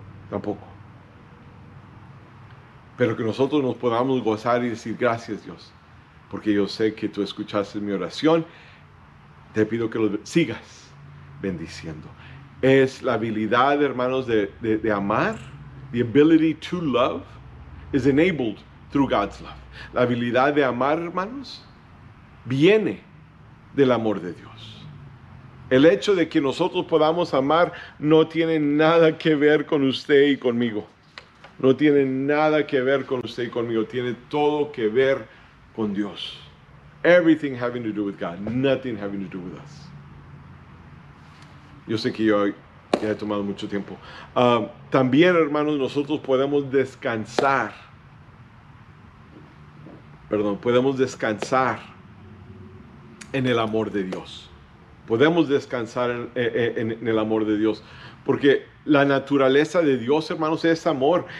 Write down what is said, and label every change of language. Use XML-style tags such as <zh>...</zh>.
<es>Tampoco. Pero que nosotros nos podamos gozar y decir, gracias Dios, porque yo sé que tú escuchaste mi oración. Te pido que lo sigas bendiciendo. Es la habilidad, hermanos, de amar.</es> <en>The ability to love is enabled through God's love.</en> <es>La habilidad de amar, hermanos, viene del amor de Dios. El hecho de que nosotros podamos amar no tiene nada que ver con usted y conmigo. No tiene nada que ver con usted y conmigo. Tiene todo que ver con Dios.</es> <en>Everything having to do with God. Nothing having to do with us.</en> <es>Yo sé que yo ya he tomado mucho tiempo. También, hermanos, nosotros podemos descansar. Podemos descansar en el amor de Dios. Podemos descansar en el amor de Dios. Porque la naturaleza de Dios, hermanos, es amor.</es>